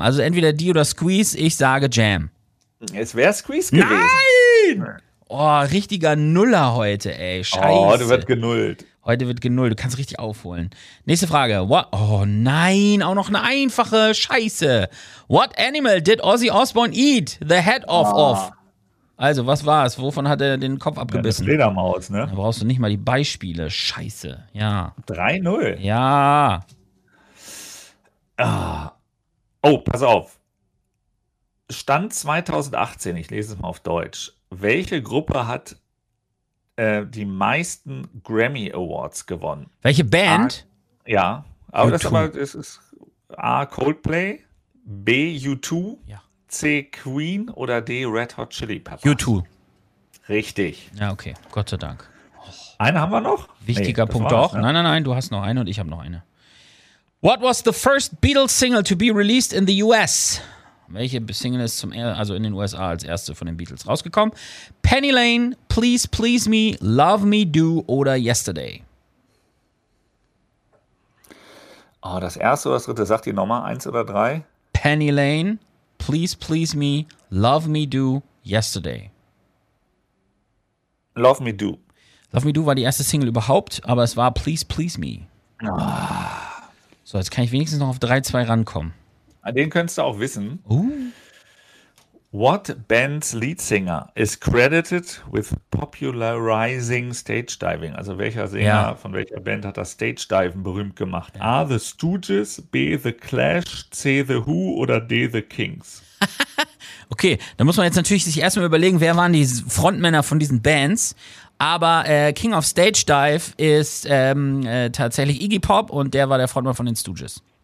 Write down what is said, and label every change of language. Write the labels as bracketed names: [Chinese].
[German] Also entweder die oder Squeeze, ich sage Jam. Es wäre Squeeze gewesen. Nein! Oh, richtiger Nuller heute, ey. Scheiße. Oh, heute wird genullt. Heute wird genullt, du kannst richtig aufholen. Nächste Frage. Oh nein, auch noch eine einfache Scheiße. [English] What animal did Ozzy Osbourne eat the head off of? [German] Also, was war es? Wovon hat er den Kopf abgebissen? Ja, eine Fledermaus, ne? Da brauchst du nicht mal die Beispiele. Scheiße, ja. 3-0. Ja. Oh, pass auf. Stand 2018, ich lese es mal auf Deutsch. Welche Gruppe hat die meisten Grammy Awards gewonnen? Welche Band? A, ja, aber U2. Das ist, mal, ist A, Coldplay, B, U2. Ja. C, Queen oder D, Red Hot Chili Peppers? U2. Richtig. Ja, okay. Gott sei Dank. Eine haben wir noch? Wichtiger nee, Punkt doch. Ne? Nein, nein, nein, du hast noch eine und ich habe noch eine. [English] What was the first Beatles single to be released in the US? [German] Welche Single ist zum also in den USA als erste von den Beatles rausgekommen? Penny Lane, Please Please Me, Love Me Do oder Yesterday? Oh, das erste oder das dritte, sagt die Nummer, eins oder drei? Penny Lane, Please Please Me, Love Me Do, Yesterday. Love Me Do. Love Me Do war die erste Single überhaupt, aber es war Please Please Me. So, jetzt kann ich wenigstens noch auf 3-2 rankommen. Den könntest du auch wissen. Ooh. [English] What band's lead singer is credited with popularizing stage diving? [German] Also welcher Sänger, ja, von welcher Band hat das Stage Diven berühmt gemacht? Ja. A. The Stooges, B. The Clash, C. The Who oder D. The Kings? Okay, da muss man jetzt natürlich sich erstmal überlegen, wer waren die Frontmänner von diesen Bands? Aber King of Stage Dive ist tatsächlich Iggy Pop und der war der Frontmann von den Stooges.